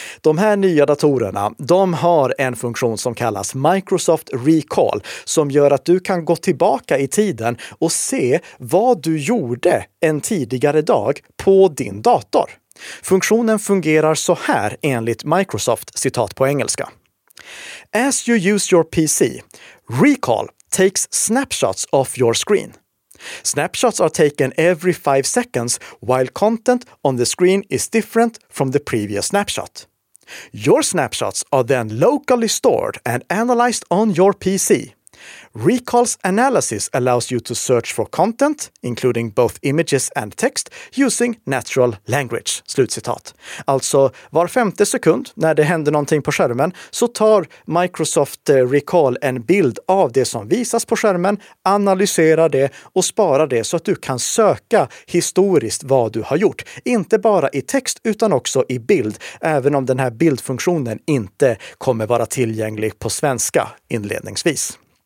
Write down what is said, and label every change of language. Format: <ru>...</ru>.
<sv>De här nya datorerna, de har en funktion som kallas Microsoft Recall som gör att du kan gå tillbaka i tiden och se vad du gjorde en tidigare dag på din dator. Funktionen fungerar så här enligt Microsoft, citat på engelska.</sv> <en>As you use your PC, recall takes snapshots of your screen. Snapshots are taken every 5 seconds while content on the screen is different from the previous snapshot. Your snapshots are then locally stored and analyzed on your PC. Recall's analysis allows you to search for content, including both images and text, using natural language.</en> <sv>Slutcitat. Alltså, var femte sekund när det händer någonting på skärmen så tar Microsoft Recall en bild av det som visas på skärmen, analyserar det och sparar det så att du kan söka historiskt vad du har gjort. Inte bara i text utan också i bild, även om den här bildfunktionen inte kommer vara tillgänglig på svenska inledningsvis.</sv>